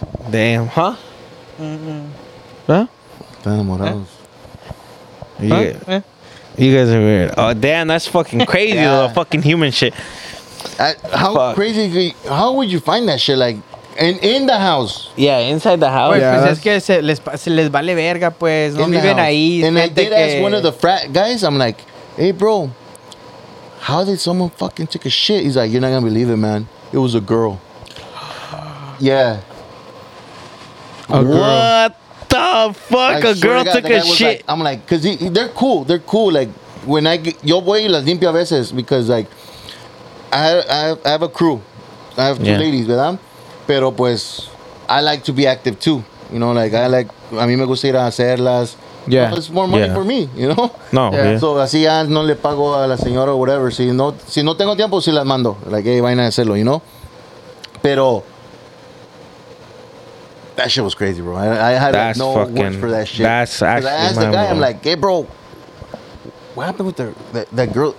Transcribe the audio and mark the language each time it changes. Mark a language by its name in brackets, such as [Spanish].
[English] damn, huh? Mm-hmm. Huh? Damn, you guys are weird. Oh, damn, that's fucking crazy, the fucking human shit. How would you find that shit, like? In the house. Yeah, inside the house. [Spanish] Pues, [English] yeah, [Spanish] pues es que se les vale verga, pues. No viven ahí. [English] And I did ask one of the frat guys. I'm like, hey, bro, how did someone fucking take a shit? He's like, you're not going to believe it, man. It was a girl. Yeah. What the fuck? A girl took a shit? Like, I'm like, because they're cool. They're cool. Like, when I get, [Spanish] yo voy las limpio a veces, [English] because, like, I have a crew. I have two ladies, [Spanish] ¿verdad? Pero pues, [English] I like to be active too. You know, like, [Spanish] a mí me gusta ir a hacerlas. [English] Yeah. It's more money for me, you know? No. Yeah. [Spanish] Yeah. So, así ya no le pago a la señora [English] or whatever. [Spanish] Si no tengo tiempo, sí las mando. Like, hey, vayan a hacerlo, you know? [English] Pero, that shit was crazy, bro. I had no words for that shit. That's actually I asked the guy, I'm like, hey, bro, what happened with the girl?